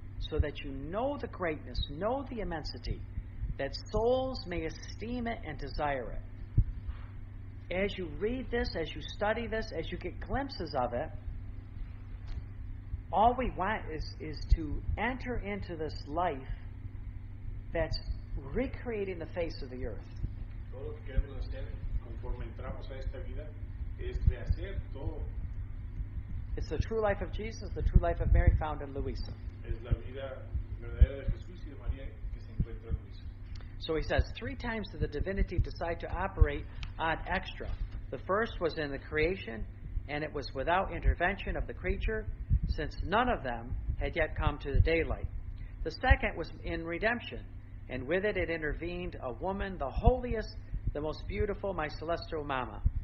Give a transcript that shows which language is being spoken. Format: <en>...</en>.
<en>So that you know the greatness, know the immensity, that souls may esteem it and desire it. As you read this, as you study this, as you get glimpses of it, all we want is to enter into this life that's recreating the face of the earth.</en> <es>todo lo que queremos hacer conforme entramos a esta vida es rehacer todo.</es> <en>It's the true life of Jesus, the true life of Mary found in Luisa.</en> <es>Es la vida verdadera de Jesús y de María que se encuentra en Luisa.</es> <en>So he says, three times did the divinity decide to operate ad extra. The first was in the creation, and it was without intervention of the creature, since none of them had yet come to the daylight. The second was in redemption, and with it intervened a woman, the holiest, the most beautiful, my celestial mama.</en>